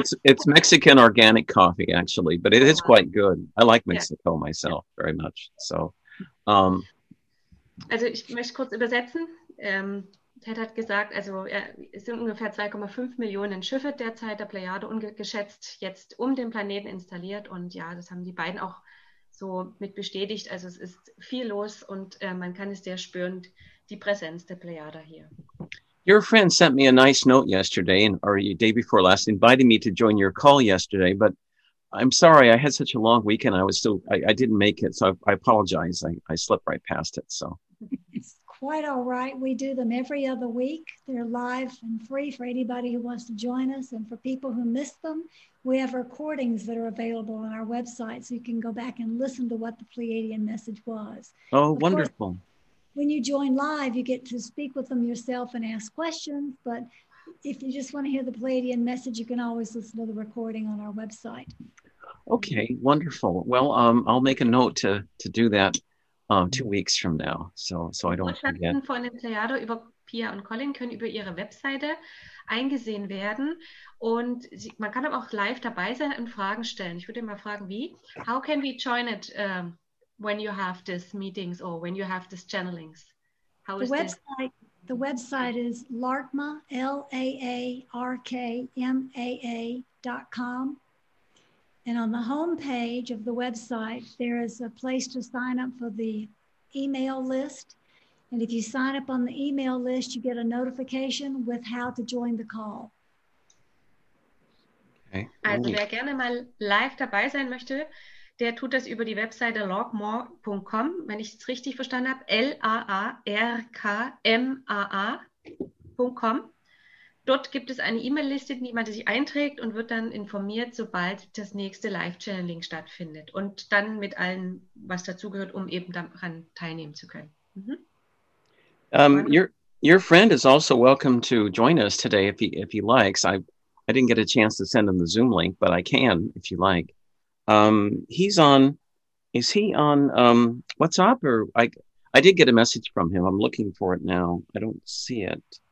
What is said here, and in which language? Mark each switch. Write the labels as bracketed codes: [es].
[en] It's Mexican organic coffee, actually, but it is quite good. I like Mexico myself very much. So, [de] Also ich möchte kurz übersetzen. Ted hat gesagt, also es sind ungefähr 2,5 Millionen Schiffe derzeit der Plejade geschätzt jetzt um den Planeten installiert. Und ja, das haben die beiden auch so mit bestätigt. Also es ist viel los, und man kann es sehr spüren, die Präsenz der Plejade hier. [en] Your friend sent me a nice note yesterday, and or day before last, inviting me to join your call yesterday. But I'm sorry, I had such a long weekend. I didn't make it, so I apologize. I slipped right past it. So. Quite all right. We do them every other week. They're live and free for anybody who wants to join us. And for people who miss them, we have recordings that are available on our website, so you can go back and listen to what the Pleiadian message was. Oh, Of course, wonderful. when you join live, you get to speak with them yourself and ask questions. But if you just want to hear the Pleiadian message, you can always listen to the recording on our website. Okay, wonderful. Well, I'll make a note to do that 2 weeks from now, so I don't forget. [de] Botschaften von den Plejado über Pia und Colin können über ihre Webseite eingesehen werden. Und man kann aber auch live dabei sein und Fragen stellen. Ich würde mal fragen, wie? [en] How can we join it when you have these meetings or when you have these channelings? How The is this? website is LARKMA, LARKMAA.com. And on the home page of the website, there is a place to sign up for the email list. And if you sign up on the email list, you get a notification with how to join the call. [de] Also wer gerne mal live dabei sein möchte, der tut das über die Webseite larkmaa.com, wenn ich es richtig verstanden habe, larkmaa.com. Dort gibt es eine E-Mail-Liste, in die man sich einträgt und wird dann informiert, sobald das nächste Live-Channeling stattfindet und dann mit allem, was dazugehört, um eben daran teilnehmen zu können. Mhm. [en] Your friend is also welcome to join us today if he likes. I didn't get a chance to send him the Zoom link, but I can if you like. Is he on WhatsApp? Or I did get a message from him. I'm looking for it now. I don't see it.